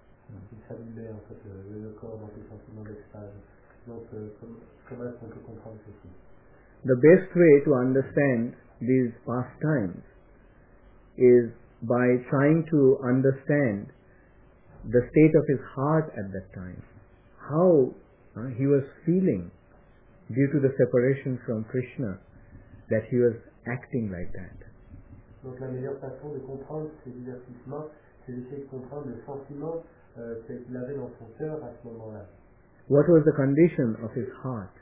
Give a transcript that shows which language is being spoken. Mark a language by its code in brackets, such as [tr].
[fr] Il s'abîmait en fait le corps dans ses sentiments d'extase. Donc, comment est-ce qu'on peut comprendre ceci? [en] The best way to understand these pastimes is by trying to understand the state of his heart at that time. How he was feeling due to the separation from Krishna that he was acting like that. [fr] Donc, la meilleure façon de comprendre ces divertissements, c'est d'essayer de comprendre le sentiment qu'il avait dans son cœur à ce moment-là. [en] What was the condition of his heart?